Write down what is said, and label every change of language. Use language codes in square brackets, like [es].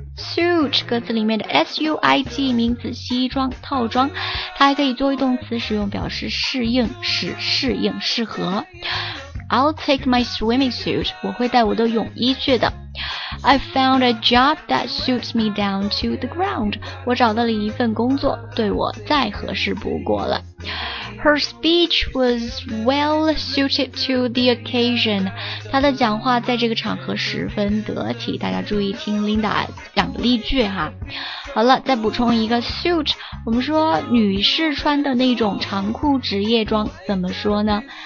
[zh] Suit， 歌词里面的 S-U-I-T， 名词西装套装，它还可以作为动词使用，表示适应，使适应适合。 [en] I'll take my swimming suit， [zh] 我会带我的泳衣去的。 [en] I found a job that suits me down to the ground， [zh] 我找到了一份工作对我再合适不过了。 [en] Her speech was well suited to the occasion， [zh] 她的讲话在这个场合十分得体。大家注意听 Linda 讲的例句哈。好了，再补充一个 suit， 我们说女士穿的那种长裤职业装怎么说呢？